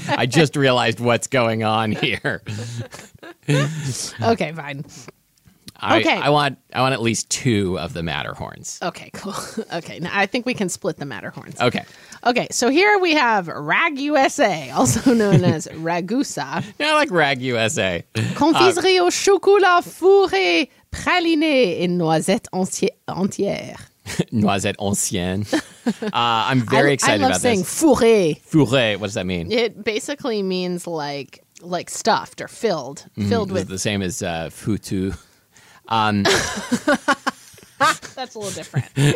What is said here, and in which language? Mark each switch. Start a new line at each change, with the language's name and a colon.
English: I just realized what's going on here. Okay, fine. I want at least two of the Matterhorns. Okay, cool. Okay, now I think we can split the Matterhorns. Okay. Okay, so here we have Rag USA, also known as Ragusa. Yeah, I like Rag USA.
French: Confiserie au chocolat fourré praliné et noisette entière. Noisette ancienne.
English: I'm very excited about this. I love saying fourré. Fourré, what does that mean? It basically means like stuffed or filled. Filled with. The same as foutu. That's a little different.